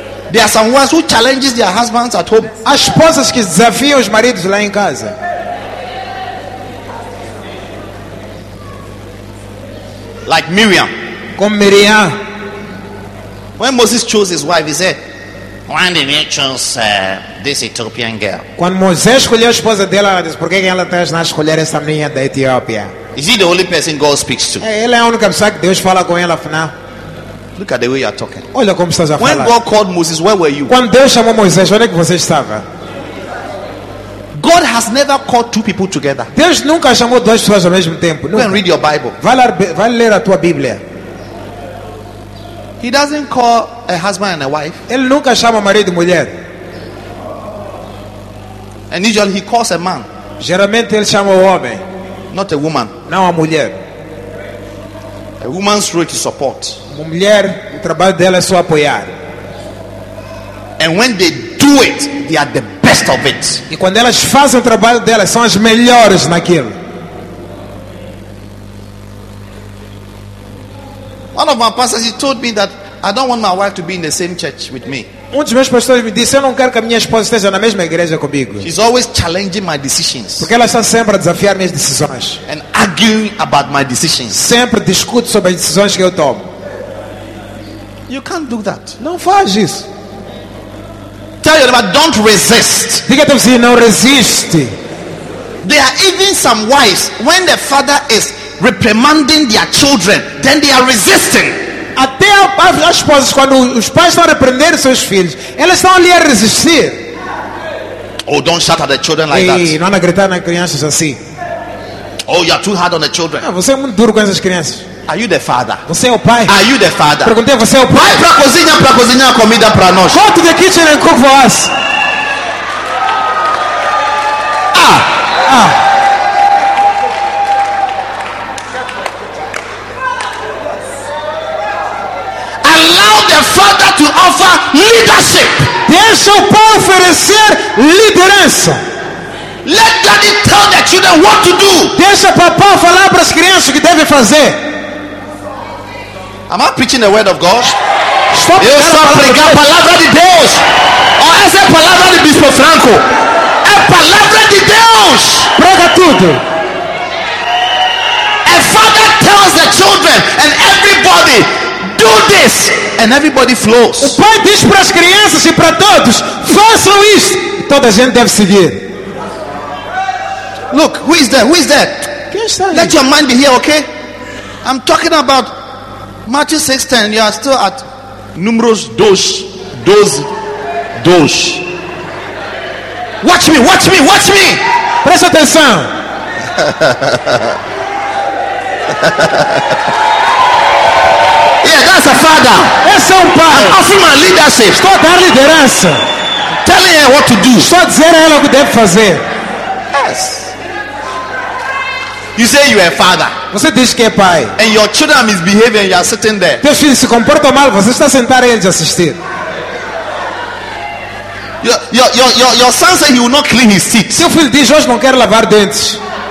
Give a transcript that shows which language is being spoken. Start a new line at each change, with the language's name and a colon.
English: There are some wives who challenge their husbands at home.
Portuguese: As esposas que desafiam os maridos lá em casa.
English: Like Miriam.
Portuguese: Como Miriam.
English: When Moses chose his wife, he said, "Why did they choose this Ethiopian girl?"
Portuguese: Quando Moisés escolheu a esposa dela, ela disse, "Por que ela está a escolher essa menina da Etiópia?"
English: Is he the only person God speaks to?
Portuguese: Ela é a única pessoa que Deus fala com ela, afinal.
English: Look at the way you are talking.
Portuguese: Olha como estás a falar.
English: When God called Moses, where were you?
Portuguese: Quando Deus chamou Moisés, onde é que você estava?
English: God has never called two people together.
Portuguese: Deus nunca chamou duas pessoas ao mesmo tempo.
English: Go and read your Bible.
Portuguese: Vai ler a tua Bíblia.
English: He doesn't call a husband and a wife.
Portuguese: Ele nunca chama marido e mulher.
English: And usually he calls a man.
Portuguese: Geralmente ele chama o homem.
English: Not a woman.
Portuguese: Não a mulher.
English: A woman's role to support.
Portuguese: Uma mulher, o trabalho dela é só apoiar.
English: And when they do it, they are the best of it.
Portuguese: E quando elas fazem o trabalho delas, são as melhores naquilo.
English: One of my pastors, he told me that I don't want my wife to be in the same church with me.
Portuguese: Um dos meus pastores me disse, eu não quero que a minha esposa esteja na mesma igreja comigo.
English: She's always challenging my decisions.
Portuguese: Porque ela está sempre a desafiar minhas decisões.
English: And arguing about my decisions.
Portuguese: Sempre discute sobre as decisões que eu tomo.
English: You can't do that.
Portuguese: Não faz isso.
English: Tell your neighbor, don't resist.
Portuguese: Diga para você, não resiste.
English: There are even some wives when the father is reprimanding their children, then they are resisting.
Portuguese: Até as esposas, quando os pais estão a repreender seus filhos, elas estão ali a resistir.
English: Oh, don't shout at the children like hey,
Portuguese: Não a gritar nas crianças assim.
English: Oh, you are too hard on the children.
Portuguese: Não, você é muito duro com essas crianças.
English: Are you the father?
Portuguese: Você é o pai?
English: Are you the father?
Portuguese: Perguntei, você é o pai? Vai para cozinhar a comida para nós.
English: Go to the kitchen and cook for us. Allow the father to offer leadership.
Portuguese: Deixa o pai oferecer liderança.
English: Let daddy tell the children what to do.
Portuguese: Deixa papá falar para as crianças o que deve fazer.
English: Am I preaching the word of God? Stop.
Portuguese: Eu estou pregando a palavra de Deus. Ou essa é a palavra de Bispo Franco. É a palavra de Deus. Prega tudo.
English: A father tells the children and everybody, do this. And everybody flows.
Portuguese: O pai diz para as crianças e para todos, façam isso. Toda a gente deve seguir.
English: Look, who is there? Who is there? Let your mind be here, okay? I'm talking about Matthew 6:10. You are still at numerous dos. Watch me.
Portuguese: Presta atenção.
English: Yeah, that's a father.
Portuguese: Esse é um pai.
English: I'm offering my leadership.
Portuguese: Estou a dar liderança.
English: Telling her what to do.
Portuguese: Estou a dizer a ela o que deve fazer.
English: Yes. You say you are a father.
Portuguese: Você diz que é pai.
English: And your children misbehaving, you are sitting there.
Portuguese: Teus filhos se comportam mal, você está sentado aí de assistir.
English: Your son says he will not clean his teeth.
Portuguese: Seu filho diz hoje não quer lavar dentes.